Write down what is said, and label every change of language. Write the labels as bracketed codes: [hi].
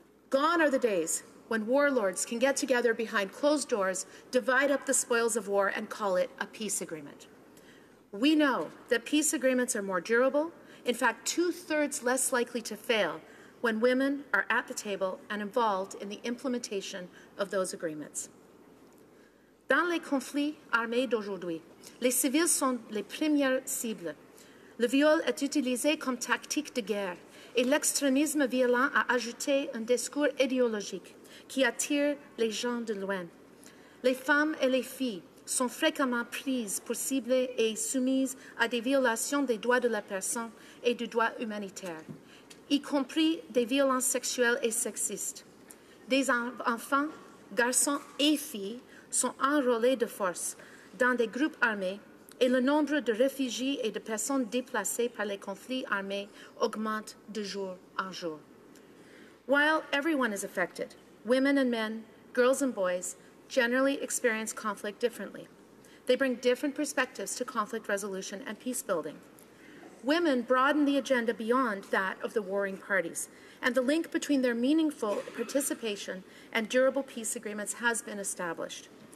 [en] Gone are the days when warlords can get together behind closed doors, divide up the spoils of war and call it a peace agreement. We know that peace agreements are more durable, in fact, two-thirds less likely to fail when women are at the table and involved in the implementation of those agreements. [fr] Dans les conflits armés d'aujourd'hui, les civils sont les premières cibles. Le viol est utilisé comme tactique de guerre et l'extrémisme violent a ajouté un discours idéologique qui attire les gens de loin. Les femmes et les filles sont fréquemment prises pour cibles et soumises à des violations des droits de la personne et du droit humanitaire, y compris des violences sexuelles et sexistes. Des enfants, garçons et filles sont enrôlés de force dans des groupes armés et le nombre de réfugiés et de personnes déplacées par les conflits armés augmente de jour en jour. [en] While everyone is affected, women and men, girls and boys, generally experience conflict differently. They bring different perspectives to conflict resolution and peace building. Women broaden the agenda beyond that of the warring parties, and the link between their meaningful participation and durable peace agreements has been established.